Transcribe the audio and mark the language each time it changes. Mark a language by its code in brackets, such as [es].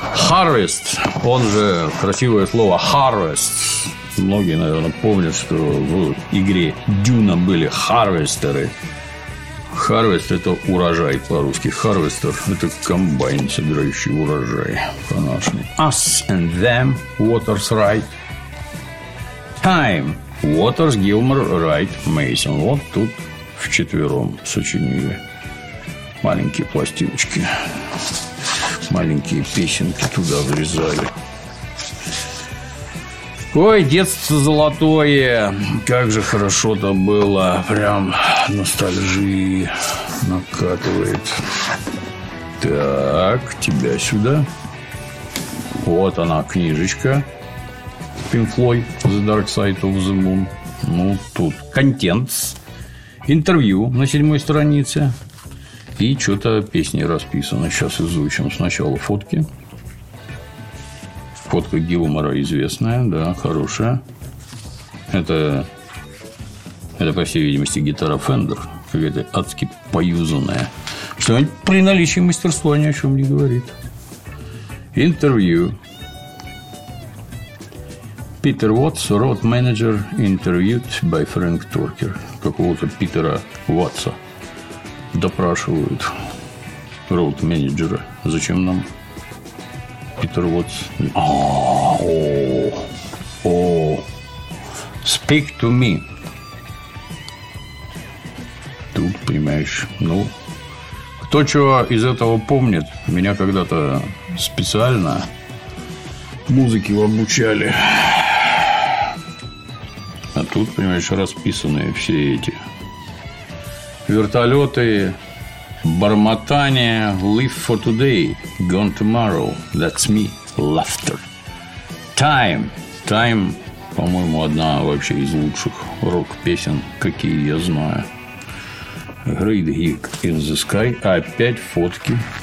[en] Harvest. [ru] Он же, красивое слово, Harvest. Многие, наверное, помнят, что в игре Дюна были харвестеры. Харвест – это урожай по-русски. Харвестер – это комбайн, собирающий урожай по-нашему. [en] Us and Them – Waters Wright. Time – Waters, Gilmer, Wright, Mason. [ru] Вот тут вчетвером сочинили маленькие пластиночки. Маленькие песенки туда врезали. Ой, детство золотое. Как же хорошо-то было. Прям ностальжии накатывает. Так, тебя сюда. Вот она, книжечка. Pink Floyd, The Dark Side of the Moon. Ну, тут контентс. Интервью на 7-й странице. И что-то песни расписано. Сейчас изучим сначала фотки. Фотка Гилмора известная, да, хорошая. Это, по всей видимости, гитара Fender. Какая-то адски поюзанная. Что-нибудь при наличии мастерства ни о чем не говорит. Интервью. [en] Питер Уотс, road manager, interviewed by Frank Turker. [ru] Какого-то Питера Уотса допрашивают. Road manager. Зачем нам Питер Уотс? [en] Speak to me. [ru] Тут, понимаешь, ну... Кто чего из этого помнит? Меня когда-то специально музыке обучали. А тут, понимаешь, расписаны все эти вертолеты, бормотание. [en] Live for today, gone tomorrow. That's me, laughter. Time. [ru] Time, по-моему, одна вообще из лучших рок-песен, какие я знаю. [en] Great gig in the sky. [ru] Опять фотки.